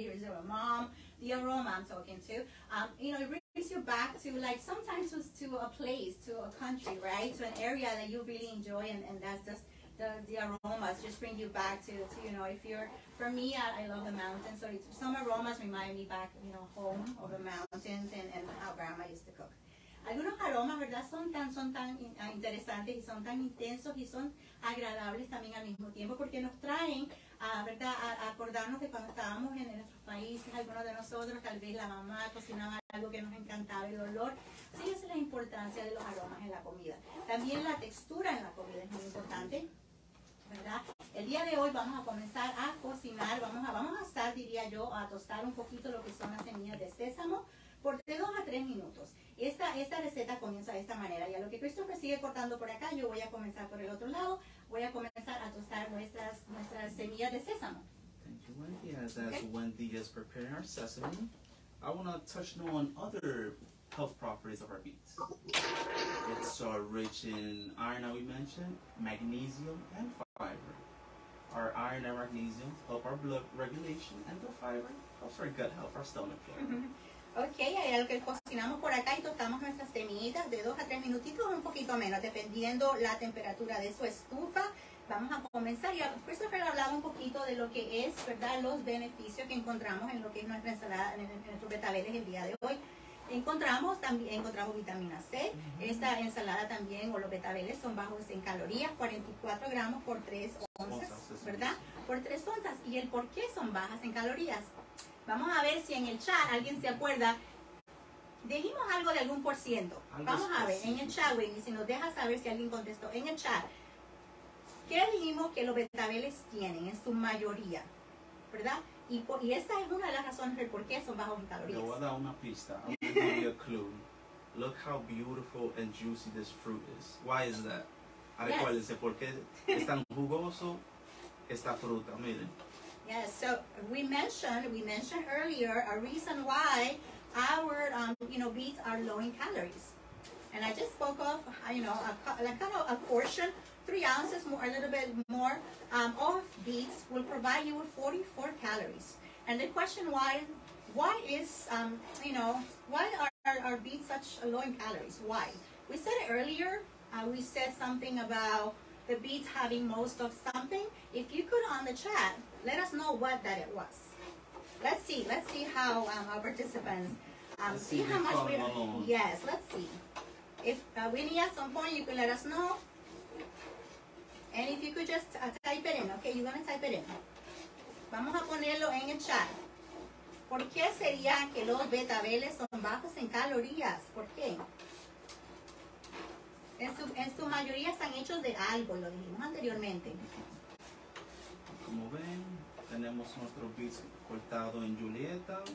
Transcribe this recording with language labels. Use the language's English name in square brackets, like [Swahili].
[English] It's your mom, the aroma I'm talking to. You know, it brings you back to, like, sometimes it's to a place, to a country, right? To an area that you really enjoy, and that's just the aromas just bring you back to you know, if you're, for me, I love the mountains, so it's, some aromas remind me back, you know, home of the mountains and how grandma used to cook. [Spanish] Algunos aromas, ¿verdad? Son tan interesantes y son tan intensos y son agradables también al mismo tiempo porque nos traen, ¿verdad? A acordarnos de cuando estábamos en nuestros países, algunos de nosotros, tal vez la mamá cocinaba algo que nos encantaba, el olor. Sí, esa es la importancia de los aromas en la comida. También la textura en la comida es muy importante, ¿verdad? El día de hoy vamos a comenzar a cocinar, vamos a asar, diría yo, a tostar un poquito lo que son las semillas de sésamo por de 2 a 3 minutos. Esta receta comienza de esta manera. Y a lo que Christopher sigue cortando por acá, yo voy a comenzar por el otro lado. Voy a comenzar a tostar nuestras semillas de sésamo. [English] Thank you, Wendy. As Wendy is preparing our sesame, I want to touch on other health properties of our beets. It's rich in iron that we mentioned, magnesium, and fiber. Our iron and magnesium help our blood regulation, and the fiber helps our gut health, our stomach flora. [Spanish] Okay, ahí es lo que cocinamos por acá y tostamos nuestras semillitas de 2 a 3 minutitos o un poquito menos, dependiendo la temperatura de su estufa. Vamos a comenzar. Y Christopher hablaba un poquito de lo que es, ¿verdad?, los beneficios que encontramos en lo que es nuestra ensalada, en nuestros betabeles el día de hoy. Encontramos vitamina C. Uh-huh. Esta ensalada también, o los betabeles, son bajos en calorías, 44 gramos por 3 onzas, ¿verdad? Por 3 onzas. ¿Y el por qué son bajas en calorías? Vamos a ver si en el chat alguien se acuerda. Dijimos algo de algún por ciento. Vamos a ver, en el chat, Wendy, si nos deja saber si alguien contestó. En el chat, ¿qué dijimos que los betabeles tienen en su mayoría? ¿Verdad? Y esa es una de las razones del por qué son bajos en calorías. Te voy a dar una pista. [English] I'm going to give you a clue. Look how beautiful and juicy this fruit is. Why is that? [Spanish] Acuérdense, yes. ¿Por qué es tan jugoso esta fruta? Miren. [English] Yes, so we mentioned earlier a reason why our you know, beets are low in calories. And I just spoke of, you know, a portion, 3 ounces more, a little bit more of beets will provide you with 44 calories. And the question why are beets such a low in calories? Why? We said it earlier, we said something about the beets having most of something. If you could on the chat, let us know what that it was. Let's see how our participants see how much we are. Yes, let's see. If Winnie, at some point, you can let us know. And if you could just type it in, okay? You're gonna type it in. [Spanish] Vamos a ponerlo en el chat. ¿Por qué sería que los betabeles son bajos en calorías? ¿Por qué? En su mayoría están hechos de algo, lo dijimos anteriormente. Como ven, tenemos nuestros beets cortados en Julieta.